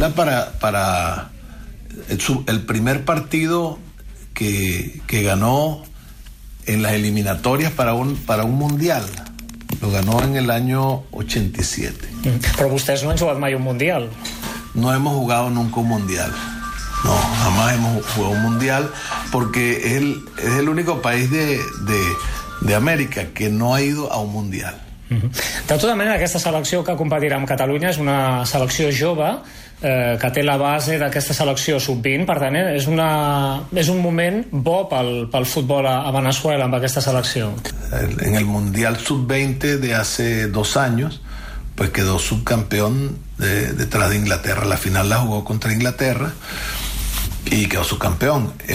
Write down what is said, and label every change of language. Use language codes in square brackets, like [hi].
[es] Para el primer partido que ganó en las eliminatorias para un mundial, lo ganó en el año 87. Pero ustedes no han jugado más un mundial. No hemos jugado nunca un mundial. No, jamás hemos jugado un mundial porque es el único país de América que no ha ido a un mundial. [ca] De tota manera, aquesta selecció que competirà amb Catalunya és una selecció jove, que té la base d'aquesta selecció sub-20. Per tant, és un moment bo pel futbol a Venezuela amb aquesta selecció. [es] En el mundial sub-20 de hace 2 años, pues quedó subcampeón detrás de Inglaterra. La final la jugó contra Inglaterra y quedó subcampeón.